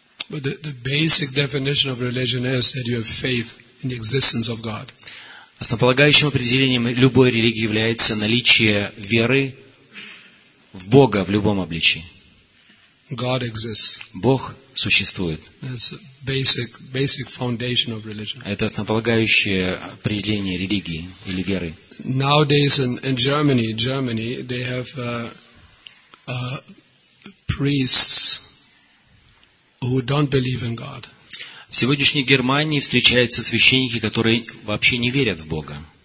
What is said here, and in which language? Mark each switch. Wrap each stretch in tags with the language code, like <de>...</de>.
<en>But the basic definition of religion is that you have faith in the existence of God.</en> <ru>Основополагающим определением любой религии является наличие веры в Бога в любом обличии.</ru> <en>God exists.</en> <ru>Бог существует.</ru> <en>That's a basic foundation of religion.</en> <ru>Это основополагающее определение религии или веры.</ru> <en>Nowadays in Germany they have priests who don't believe in God.</en> <ru>В сегодняшней Германии встречаются священники, которые вообще не верят в Бога.</ru>